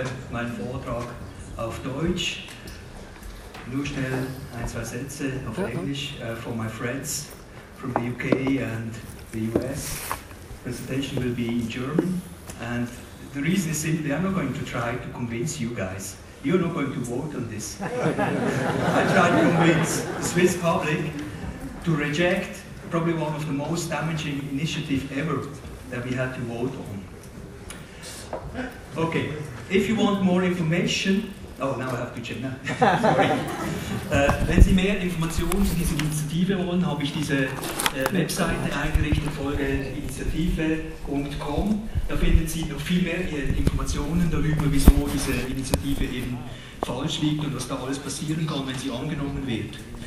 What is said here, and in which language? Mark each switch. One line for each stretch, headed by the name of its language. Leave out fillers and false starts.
German: meinen Vortrag auf Deutsch. Nur schnell ein, zwei Sätze auf Englisch.
English: For my friends from the UK and the US, the presentation will be in German. And the reason is simply, I'm not going to try to convince you guys. You're not going to vote on this. I try to convince the Swiss public to reject probably one of the most damaging initiatives ever that we had to vote on. Okay, if you want more information, oh, now I have to check, no. Sorry.
German: Wenn Sie mehr Informationen zu dieser Initiative wollen, habe ich diese Webseite eingerichtet, folgeinitiative.com. Da finden Sie noch viel mehr Informationen darüber, wieso diese Initiative eben falsch liegt und was da alles passieren kann, wenn sie angenommen wird.